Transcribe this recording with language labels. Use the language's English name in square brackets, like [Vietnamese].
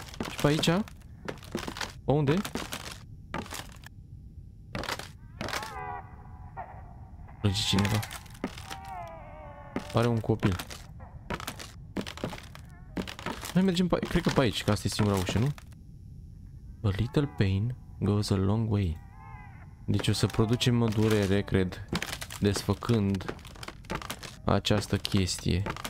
[Romanian] Și pe aici? Unde? Plânge cineva. Pare un copil. Noi mergem pe, cred că pe aici, că asta e singura ușă, nu? [English] A little pain goes a long way. [Romanian] Deci o să producem o durere, cred, desfăcând această chestie.